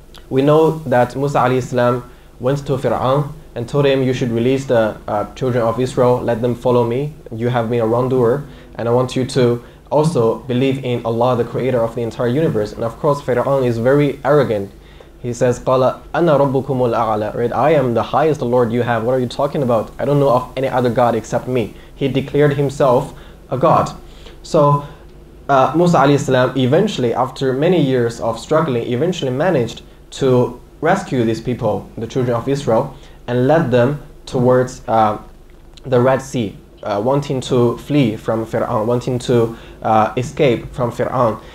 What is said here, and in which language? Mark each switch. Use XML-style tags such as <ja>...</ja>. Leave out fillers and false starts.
<en>We know that Musa alayhi salam went to Fir'aun and told him, you should release the children of Israel, let them follow me. You have been a wrongdoer and I want you to also believe in Allah, the creator of the entire universe. And of course, Fir'aun is very arrogant. He says,</en> <ar>قَالَ أَنَّ رَبُّكُمُ الْأَعْلَى.</ar> <en>Right? I am the highest Lord you have. What are you talking about? I don't know of any other God except me. He declared himself a God. So Musa alayhi salam eventually, after many years of struggling, eventually managed to rescue these people, the children of Israel, and led them towards the Red Sea, wanting to flee from Fir'aun, wanting to escape from Fir'aun.</en>